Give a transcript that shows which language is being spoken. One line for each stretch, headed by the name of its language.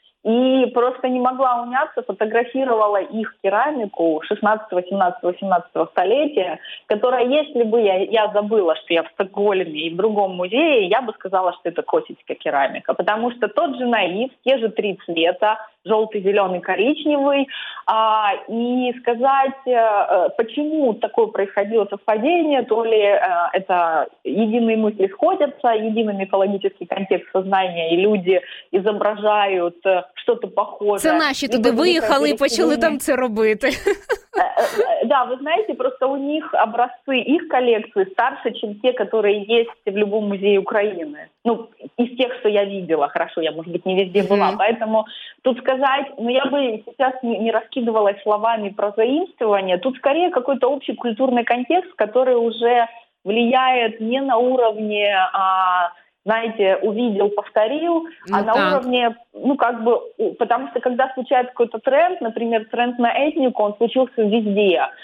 Russian: и просто не могла уняться, фотографировала их керамику 16-17-18 столетия, которая, если бы я забыла, что я в Стокгольме и в другом музее, я бы сказала, что это косицкая керамика, потому что тот же наив, те же три цвета, желтый, зеленый, коричневый, и сказать, почему такое происходило совпадение, то ли это единые мысли сходятся, единый мифологический контекст сознания, и люди изображают что-то похожее.
Ukrainian: Це наші туди виїхали і почали там це робити.
Russian: Да, вы знаете, просто у них образцы их коллекции старше, чем те, которые есть в любом музее Украины. Ну, из тех, что я видела, хорошо, я, может быть, не везде была, поэтому тут сказать, ну, я бы сейчас не раскидывалась словами про заимствование, тут скорее какой-то общий культурный контекст, который уже влияет не на уровне, знаете, увидел, повторил, на уровне, ну, как бы, потому что когда случается какой-то тренд, например, тренд на этнику, он случился везде.